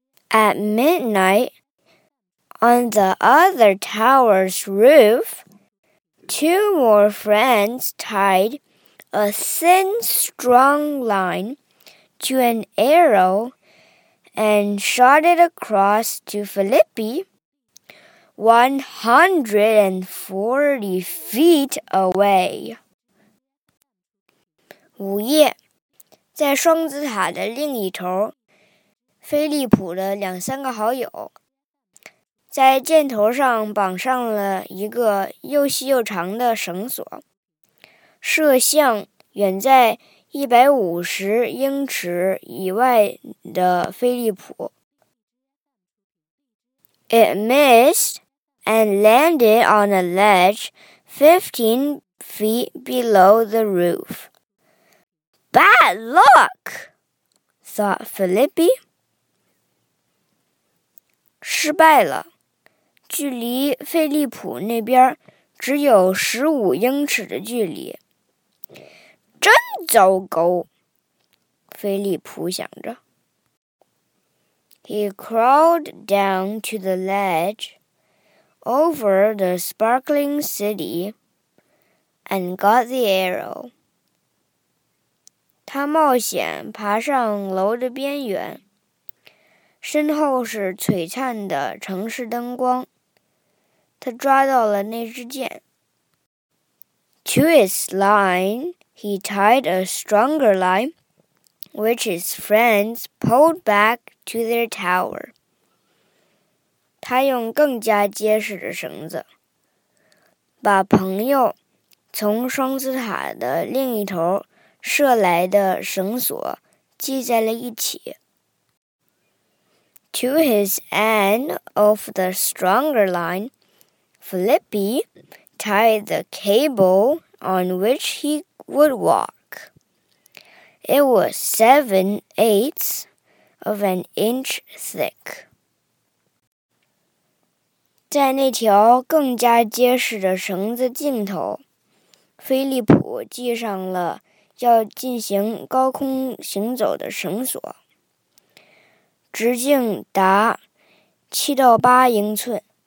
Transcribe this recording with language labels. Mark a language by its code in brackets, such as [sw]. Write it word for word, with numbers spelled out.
[en] At midnight, on the other tower's roof, two more friends tied a thin, strong line to an arrow and shot it across to Filippi, one hundred forty feet away. [zh] 午夜，在双子塔的另一头，菲利普的两三个好友在箭头上绑上了一个又细又长的绳索，射向远在一百五十英尺以外的菲利普。 [en] It missed and landed on a ledge fifteen feet below the roof. Bad luck, thought Filippi. [zh] 失败了。距离菲利普那边只有十五英尺的距离，真糟糕，菲利普想着。 [en] He crawled down to the ledge, over the sparkling city, and got the arrow. [zh] 他冒险爬上楼的边缘，身后是璀璨的城市灯光。他抓到了那支箭。 [en] To its line, he tied a stronger line, which his friends pulled back to their tower. [zh] 他用更加结实的绳子，把朋友从双子塔的另一头射来的绳索系在了一起。 [en] To his end of the stronger line,Filippi tied the cable on which he would walk. It was seven-eighths of an inch thick. [zh] 在那条更加结实的绳子尽头，菲利普系上了要进行高空行走的绳索，直径达七到八英寸。